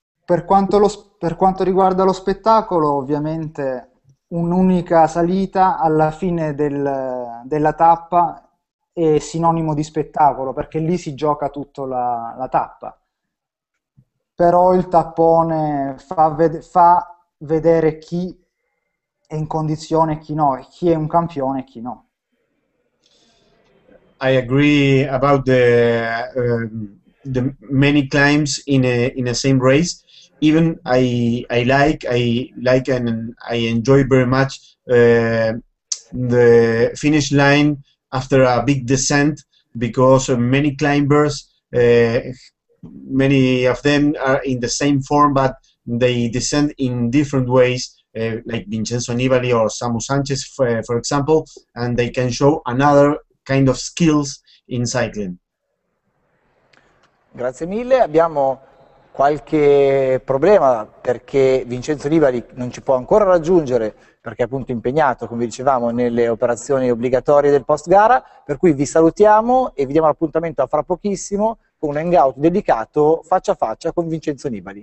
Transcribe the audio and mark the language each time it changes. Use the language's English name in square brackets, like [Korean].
[Italian] Per quanto riguarda lo spettacolo, ovviamente un'unica salita alla fine della tappa è sinonimo di spettacolo, perché lì si gioca tutta la tappa. Però il tappone fa vedere chi è in condizione e chi no, e chi è un campione e chi no. [English] I agree about the many climbs in a same race. Even I like and I enjoy very much the finish line after a big descent, because many climbers, many of them are in the same form, but they descend in different ways, like Vincenzo Nibali or Samu Sanchez, for example, and they can show another kind of skills in cycling. [Italian] Grazie mille. Abbiamo qualche problema, perché Vincenzo Nibali non ci può ancora raggiungere, perché è appunto impegnato, come dicevamo, nelle operazioni obbligatorie del post-gara, per cui vi salutiamo e vi diamo l'appuntamento a fra pochissimo con un hangout dedicato faccia a faccia con Vincenzo Nibali.